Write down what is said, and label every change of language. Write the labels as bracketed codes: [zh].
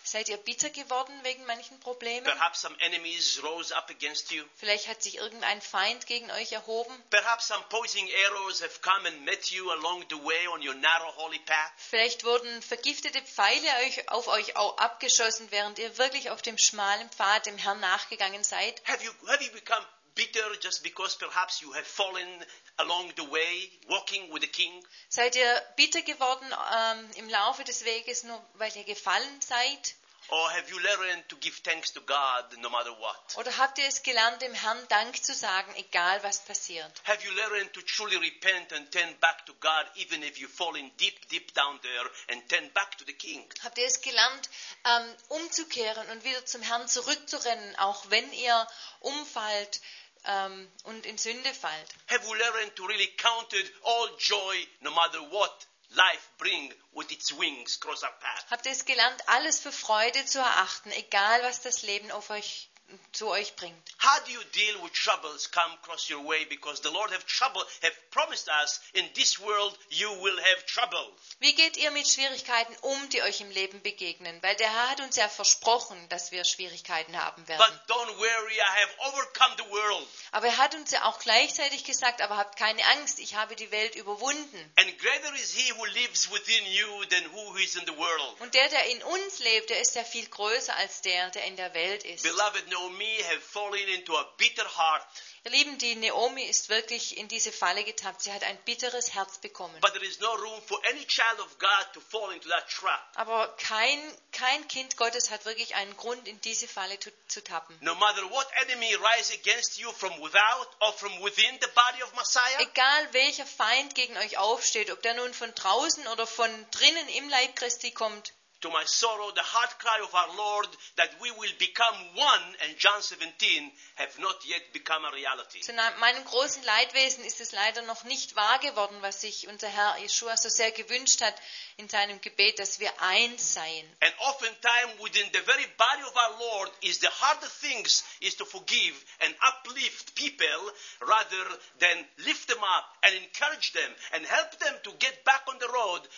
[de] Seid ihr bitter geworden wegen manchen Problemen? [en] Perhaps some enemies rose up against you? [de] Vielleicht hat sich irgendein Feind gegen euch erhoben? [en] Perhaps some poisoning arrows have come and met you along the way on your narrow holy path? [de] Vielleicht wurden vergiftete Pfeile auf euch auch abgeschossen, während ihr wirklich auf dem schmalen Pfad dem Herrn nachgegangen seid? [en] Have you become bitter just because perhaps you have fallen along the way walking with the king? [de] Seid ihr bitter geworden im Laufe des Weges, nur weil ihr gefallen seid? [en] Or have you learned to give thanks to God no matter what? [de] Oder habt ihr es gelernt, dem Herrn Dank zu sagen, egal was passiert? [en] Have you learned to truly repent and turn back to God even if you fall in deep, deep down there and turn back to the king? [de] Habt ihr es gelernt, umzukehren und wieder zum Herrn zurückzurennen, auch wenn ihr umfallt und in Sünde fallt? [en] Have you learned to really count it all joy no matter what life bring with its wings cross our path? [de] Habt ihr es gelernt, alles für Freude zu erachten, egal was das Leben auf euch zu euch bringt? [en] How do you deal with troubles come across your way, because the Lord have trouble, have promised us in this world you will have trouble? [de] Wie geht ihr mit Schwierigkeiten um, die euch im Leben begegnen? Weil der Herr hat uns ja versprochen, dass wir Schwierigkeiten haben werden. [en] But don't worry, I have overcome the world. [de] Aber er hat uns ja auch gleichzeitig gesagt, aber habt keine Angst, ich habe die Welt überwunden. [en] And greater is he who lives within you than who is in the world. [de] Und der in uns lebt, der ist ja viel größer als der in der Welt ist. [en] Beloved, Naomi have fallen into a bitter heart. [de] Ihr Lieben, die Naomi ist wirklich in diese Falle getappt. Sie hat ein bitteres Herz bekommen. [en] But there is no room for any child of God to fall into that trap. [de] Aber kein Kind Gottes hat wirklich einen Grund, in diese Falle zu tappen. [en] No matter what enemy rise against you from without or from within the body of Messiah. [de] Egal welcher Feind gegen euch aufsteht, ob der nun von draußen oder von drinnen im Leib Christi kommt. [en] To my sorrow, the heart cry of our Lord that we will become one and John 17 have not yet become a reality. [de] Zu meinem großen Leidwesen ist es leider noch nicht wahr geworden, was sich unser Herr Yeshua so sehr gewünscht hat in seinem Gebet, dass wir eins seien. [en] And oftentimes within the very body of our Lord is the harder things is to forgive and uplift people rather than lift them up and encourage them and help them to get back on the road.